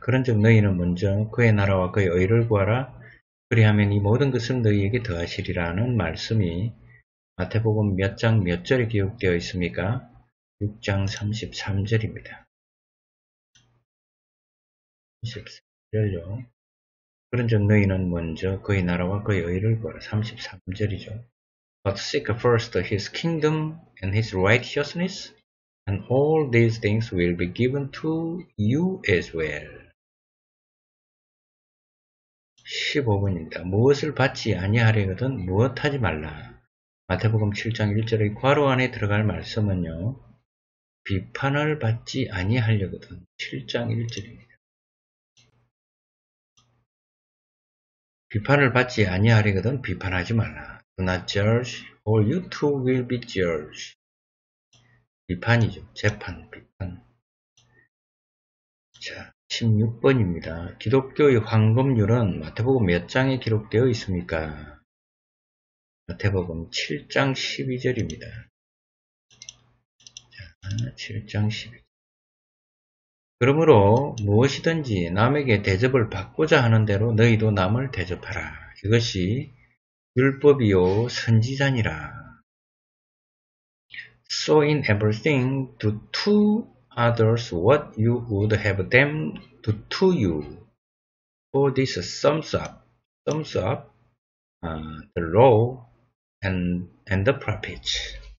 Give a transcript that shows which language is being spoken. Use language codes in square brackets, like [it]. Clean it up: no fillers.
[ko] 그런즉 너희는 먼저 그의 나라와 그의 의를 구하라. 그리하면 이 모든 것을 너희에게 더하시리라는 말씀이 마태복음 몇장몇 절에 기록되어 있습니까? 6장 33절입니다. 33절요. 그런즉 너희는 먼저 그의 나라와 그의 의를 구하라. 33절이죠. [en] But seek first his kingdom and his righteousness, and all these things will be given to you as well. [ko] 15번입니다. 무엇을 받지 아니하려거든 무엇하지 말라. 마태복음 7장 1절의 괄호 안에 들어갈 말씀은요. 비판을 받지 아니하려거든. 7장 1절입니다. 비판을 받지 아니하려거든 비판하지 말라. [en] Do not judge or you too will be judged. [ko] 비판이죠. 재판, 비판. 자, 16번입니다. 기독교의 황금률은 마태복음 몇 장에 기록되어 있습니까? 마태복음 7장 12절입니다. 자, 7장 12절. 그러므로 무엇이든지 남에게 대접을 받고자 하는 대로 너희도 남을 대접하라. 이것이 율법이요 선지자니라. [en] So in everything, do to others what you would have them do to you. For this sums up, the law and the prophets.